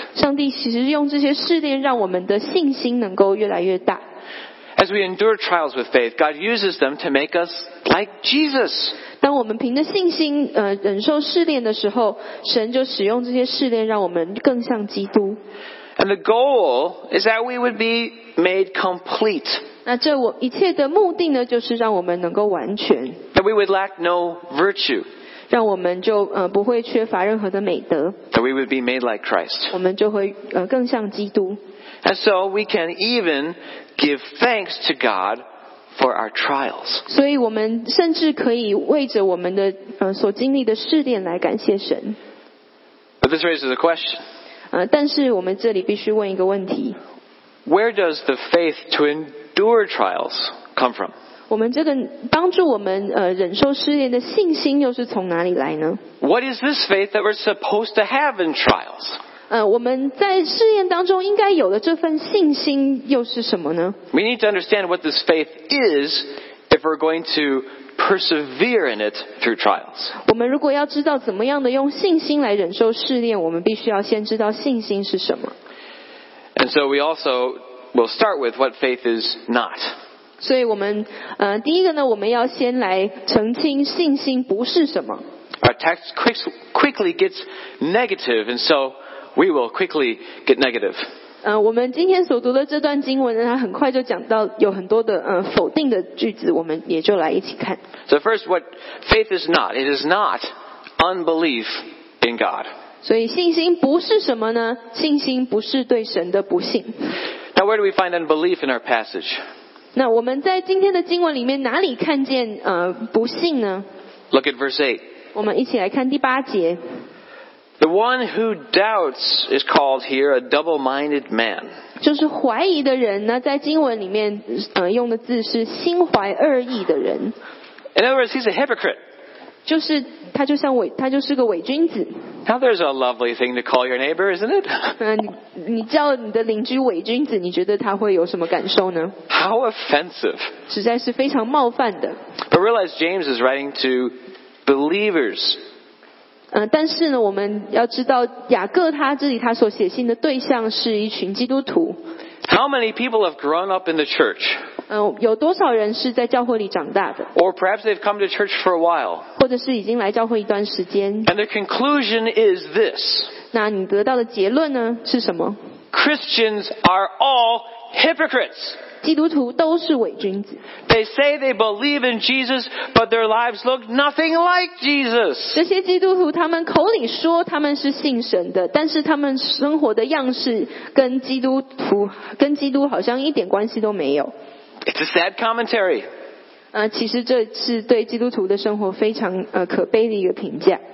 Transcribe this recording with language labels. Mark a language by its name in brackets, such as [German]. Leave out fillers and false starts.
[Chinese] 上帝其实用这些试炼让我们的信心能够越来越大。 [English] As we endure trials with faith, God uses them to make us like Jesus. [Chinese] 当我们凭着信心，忍受试炼的时候，神就使用这些试炼让我们更像基督。 [English] And the goal is that we would be made complete. [Chinese] 那这我一切的目的呢，就是让我们能够完全。 [English] That we would lack no virtue. [Chinese] 让我们就不会缺乏任何的美德。 [English] That we would be made like Christ. [Chinese] 我们就会更像基督。 [English] And so we can even give thanks to God for our trials. [Chinese] 所以我们甚至可以为着我们的所经历的试炼来感谢神。 [English] But this raises a question. [Chinese] 但是我们这里必须问一个问题。 [English] Where does the faith to endure trials come from? [Chinese] 我们这个帮助我们忍受试炼的信心又是从哪里来呢？ [English] What is this faith that we're supposed to have in trials? [Chinese] 我们在试验当中应该有的这份信心又是什么呢？ [English] We need to understand what this faith is if we're going to persevere in it through trials. [Chinese] 我们如果要知道怎么样的用信心来忍受试验，我们必须要先知道信心是什么。 [English] And so we also will start with what faith is not. [Chinese] 所以我们第一个呢，我们要先来澄清信心不是什么。 [English] Our text quickly gets negative, and so we will quickly get negative. [Chinese] 我们今天所读的这段经文呢，它很快就讲到有很多的否定的句子，我们也就来一起看。 [English] So first, what faith is not? It is not unbelief in God. [Chinese] 所以信心不是什么呢？信心不是对神的不信。 [English] Now, where do we find unbelief in our passage? [Chinese] 那我们在今天的经文里面哪里看见不信呢？ [English] Look at verse 8. [Chinese] 我们一起来看第八节。 [English] The one who doubts is called here a double-minded man. [Chinese] 就是怀疑的人呢，在经文里面用的字是心怀二意的人。 [English] In other words, he's a hypocrite. [Chinese] 就是他就像伪，他就是个伪君子。 [English] Now there's a lovely thing to call your neighbor, isn't it? [Chinese] 你叫你的邻居伪君子，你觉得他会有什么感受呢？ [English] How offensive. [Chinese] 实在是非常冒犯的。 [English] But realize James is writing to believers. [Chinese] 但是呢，我们要知道雅各他这里他所写信的对象是一群基督徒。 [English] How many people have grown up in the church? [Chinese] 有多少人是在教会里长大的？ [English] Or perhaps they've come to church for a while. [Chinese] 或者是已经来教会一段时间。 [English] And the conclusion is this. [Chinese] 那你得到的结论呢是什么？ [English] Christians are all hypocrites. [Chinese] 基督徒都是伪君子。 [English] They say they believe in Jesus, but their lives look nothing like Jesus. [Chinese] 这些基督徒他们口里说他们是信神的，但是他们生活的样式跟基督好像一点关系都没有。 [English] It's a sad commentary. [Chinese] 其实这是对基督徒的生活非常可悲的一个评价。